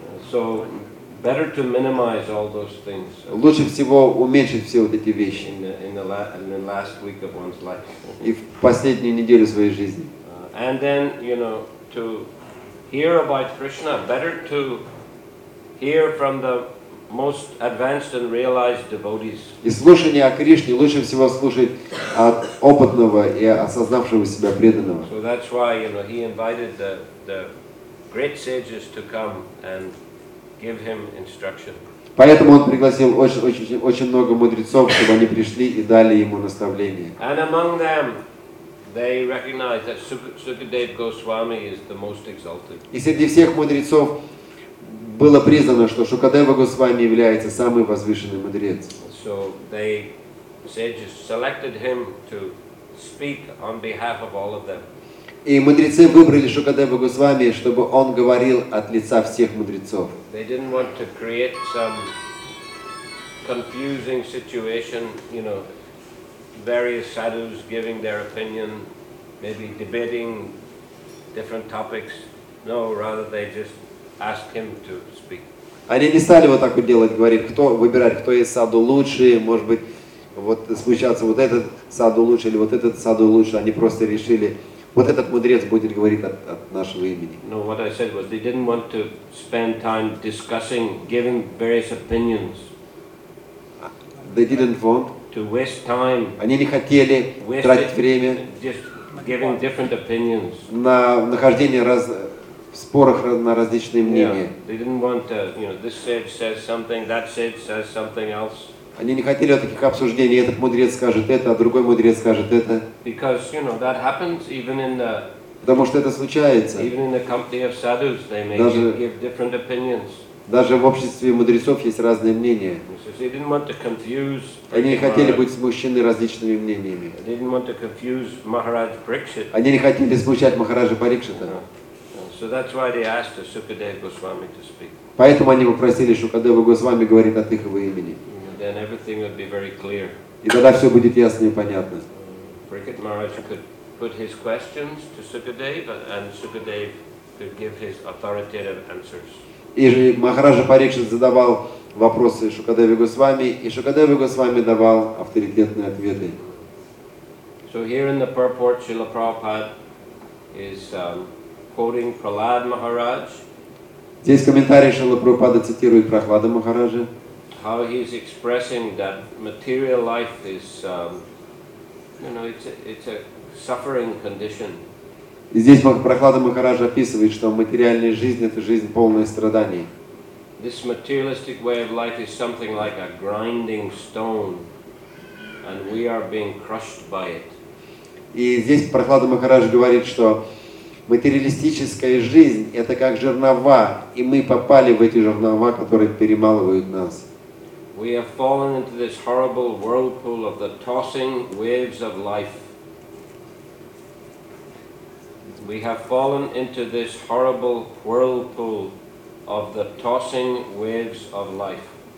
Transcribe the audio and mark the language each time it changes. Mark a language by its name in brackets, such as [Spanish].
[English] So better to minimize all those things. [Russian] Лучше всего уменьшить все вот эти вещи. [English] In the last week of one's life. [Russian] И в последнюю неделю своей жизни. [English] And then, you know, to hear about Krishna, better to hear from the most advanced and realized devotees. [Russian] И слушание о Кришне лучше всего слушать от опытного и осознавшего себя преданного. [English] So that's why, you know, he invited the great sages to come and give him instruction. [Russian] Поэтому он пригласил очень много мудрецов, чтобы они пришли и дали ему наставление. [English] And among them, they recognize that Sukadev Goswami is the most exalted. [Russian] И среди всех мудрецов было признано, что Шукадева Госвами является самый возвышенный мудрец. [English] So they sages selected him to speak on behalf of all of them. [Russian] И мудрецы выбрали Шукадева Госвами, чтобы он говорил от лица всех мудрецов. [English] They didn't want to create some confusing situation, you know, various sadhus giving their opinion, maybe debating different topics. No, rather they just ask him to speak. [Russian] Они не стали вот так вот делать, говорить, кто выбирать, кто из саду лучше, может быть, вот смущаться, вот этот саду лучше или вот этот саду лучше. Они просто решили, вот этот мудрец будет говорить от нашего имени. [English] No, what I said was they didn't want to spend time discussing, giving various opinions. They didn't want to waste time. [Russian] Они не хотели тратить время. [English] Just giving different opinions. [Russian] На нахождение в спорах на различные мнения. [English] Yeah, they didn't want to, you know, this sage says something, that sage says something else. [Russian] Они не хотели таких обсуждений. Этот мудрец скажет это, а другой мудрец скажет это. [English] Because, you know, that happens even in the. [Russian] Потому что это случается. [English] Even in the company of sadhus, they may give different opinions. [Russian] Даже в обществе мудрецов есть разные мнения. [English] They didn't want to confuse. [Russian] Они не хотели быть смущены различными мнениями. [English] They didn't want to confuse Maharaj Parikshit. [Russian] Они не хотели смущать Махараджа Парикшита. [English] So that's why they asked Sukadeva Goswami to speak. [Russian] Поэтому они попросили Шукадеву Госвами говорить от их имени. [English] Then everything would be very clear. [Russian] И тогда все будет ясно и понятно. [English] Prakrit Maharaj could put his questions to Sukadeva, and Sukadeva could give his authoritative answers. [Russian] И Махараджа Парикшит задавал вопросы Шукадеве Госвами, и Шукадева Госвами давал авторитетные ответы. [English] So here in the purport, Srila Prabhupada is quoting Prahlad Maharaj. [Russian] Здесь комментарий Шрилы Прабхупады цитирует Прахлада Махараджа. [English] How he is expressing that material life is, you know, it's a suffering condition. [Russian] И здесь Прахлада Махарадж описывает, что материальная жизнь – это жизнь полная страданий. [English] This materialistic way of life is something like a grinding stone, and we are being crushed by it. [Russian] И здесь Прахлада Махарадж говорит, что материалистическая жизнь – это как жернова, и мы попали в эти жернова, которые перемалывают нас. [English] We have fallen into this horrible whirlpool of the tossing waves of life. We have fallen into this horrible whirlpool of the tossing waves of life.